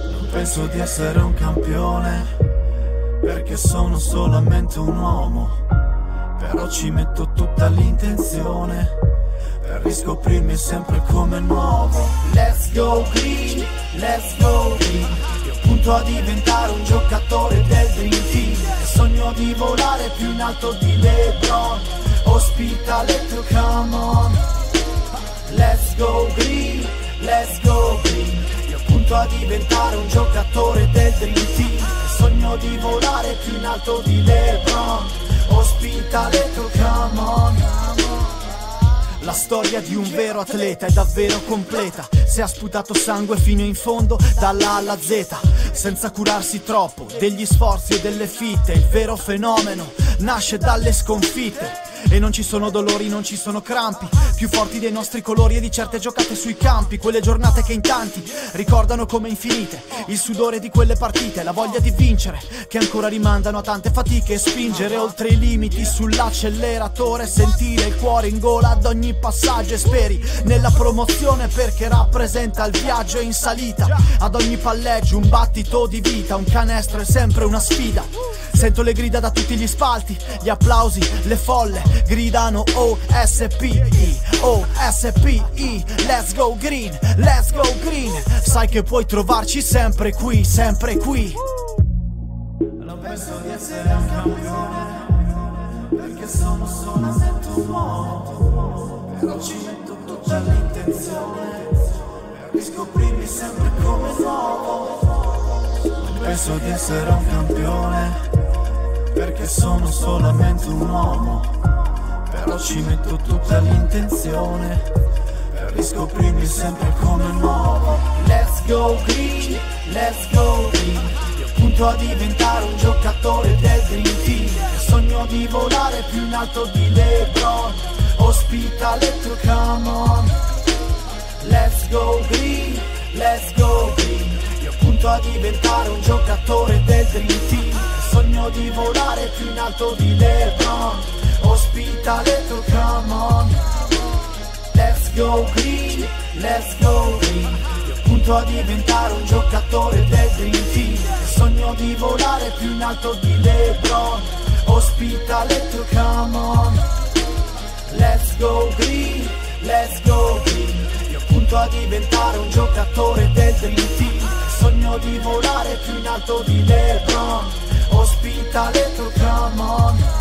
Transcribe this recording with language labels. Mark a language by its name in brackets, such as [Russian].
[Italian] Penso di essere un campione, perché sono solamente un uomo. Però ci metto tutta l'intenzione, per riscoprirmi sempre come nuovo. [English] Let's go green, let's go green. [Italian] Io punto a diventare un giocatore del Dream Team. Sogno di volare più in alto di LeBron. [English] Ospitaletto, come on. Let's go green, let's go green. [Italian] A diventare un giocatore del Dream Team. Sogno di volare più in alto di LeBron. Ospitaletto, [English] come on. [Italian] La storia di un vero atleta è davvero completa. Se ha sputato sangue fino in fondo, dall'A alla Z, senza curarsi troppo degli sforzi e delle fitte. Il vero fenomeno nasce dalle sconfitte. E non ci sono dolori, non ci sono crampi più forti dei nostri colori e di certe giocate sui campi. Quelle giornate che in tanti ricordano come infinite. Il sudore di quelle partite, la voglia di vincere, che ancora rimandano a tante fatiche. Spingere oltre i limiti sull'acceleratore, sentire il cuore in gola ad ogni passaggio. E speri nella promozione, perché rappresenta il viaggio in salita. Ad ogni palleggio un battito di vita, un canestro è sempre una sfida. Sento le grida da tutti gli spalti, gli applausi, le folle gridano OSPE, OSPE. [English] Let's go green, let's go green. [Italian] Sai che puoi trovarci sempre qui, sempre qui. Non penso di essere un campione, perché sono solo sento un uomo. Però ci metto tutta l'intenzione, per riscoprirmi sempre come nuovo. Non penso di essere un campione, perché sono solamente un uomo. Però ci metto tutta l'intenzione, per riscoprirmi sempre come nuovo. [English] Let's go green, let's go green. [Italian] Io punto a diventare un giocatore del Dream Team. Sogno di volare più in alto di LeBron. [English] Ospitaletto, come on. Let's go green, let's go green. [Italian] Io punto a diventare un giocatore del Dream Team. Sogno di volare più in alto di LeBron. [English] Ospitaletto, come on. Let's go green, let's go green. [Italian] Io punto a diventare un giocatore del Dream Team. Sogno di volare più in alto di LeBron. [English] Ospitaletto, come on. Let's go green, let's go green. [Italian] Io punto a diventare un giocatore del Dream Team. Sogno di volare più in alto di LeBron. Ospitaletto, [English] come on.